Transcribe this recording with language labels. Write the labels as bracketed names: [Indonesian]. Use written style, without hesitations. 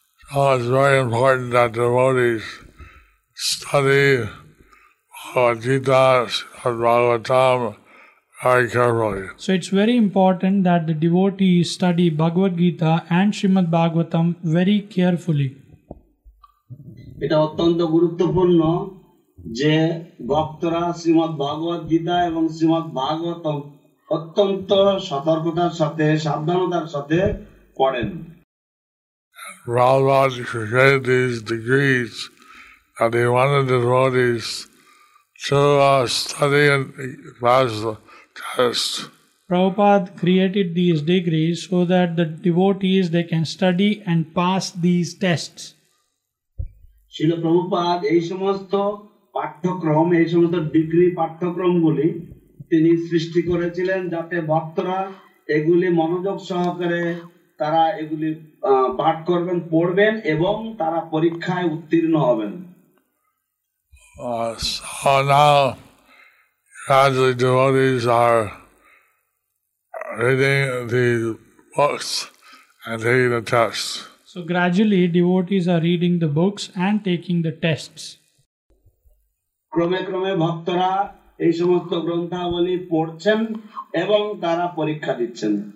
[English] Oh, it's very important that devotees study Bhagavad Gita, Srimad Bhagavatam very carefully. So it's very important that the devotees study Bhagavad Gita and Srimad Bhagavatam very carefully. [Bangla] এটা অত্যন্ত গুরুত্বপূর্ণ যে ভক্তরা শ্রীমদ্ ভগবদ গীতা এবং শ্রীমদ্ ভাগবত অত্যন্ত সতর্কতার সাথে সাবধানতার সাথে পড়েন। [English] Prabhupada shared these degrees that he wanted the devotees to study and pass the test. Prabhupada created these degrees so that the devotees, they can study and pass these tests. [Bangla] Srila Prabhupada, ei somosto pathyakram, ei somosto degree pathyakram guli, tini srishti korechilen jate bhaktara eguli monojog sahakare তারা এগুলি পাঠ করবেন পড়বেন এবং তারা পরীক্ষায় উত্তীর্ণ হবেন। [English] So now, as the devotees are reading the books and taking the tests. So gradually devotees are reading the books and taking the tests. [Bangla] ক্রমে ক্রমে ভক্তরা এই সমস্ত গ্রন্থাবলী পড়ছেন এবং তারা পরীক্ষা দিচ্ছেন।